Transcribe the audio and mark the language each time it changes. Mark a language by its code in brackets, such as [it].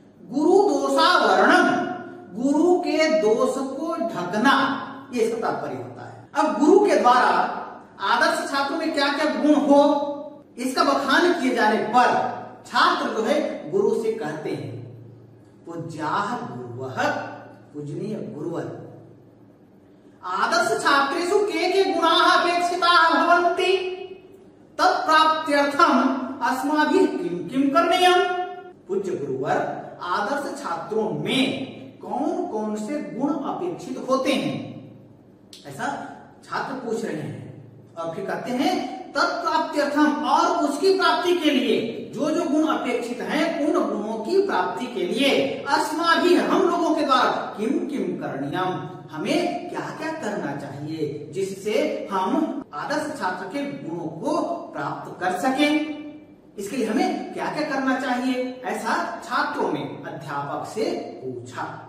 [hi] गुरु दोषावरणम, गुरु के दोष को ढकना, यह इसका तात्पर्य होता है। अब गुरु के द्वारा आदर्श छात्र में क्या क्या गुण हो इसका बखान किए जाने पर छात्र जो है गुरु से कहते हैं [sa] पूज्याह गुरुवः, [hi] पूजनीय गुरुवर। [sa] आदर्श छात्रेषु के गुणाः अपेक्षिताः भवन्ति, तत्प्राप्त्यर्थम् अस्माभिः किं किं करणीयम्। [hi] पूज्य गुरुवर, आदर्श छात्रों में कौन कौन से गुण अपेक्षित होते हैं ऐसा छात्र पूछ रहे हैं। और फिर कहते हैं तत्प्राप्त्यर्थम्, और उसकी प्राप्ति के लिए जो जो गुण अपेक्षित हैं उन गुणों की प्राप्ति के लिए अस्माभिः, हम लोगों के द्वारा [sa] किं किं करणीयम्, [hi] हमें क्या क्या करना चाहिए जिससे हम आदर्श छात्र के गुणों को प्राप्त कर सकें, इसके लिए हमें क्या क्या करना चाहिए ऐसा छात्रों में अध्यापक से पूछा।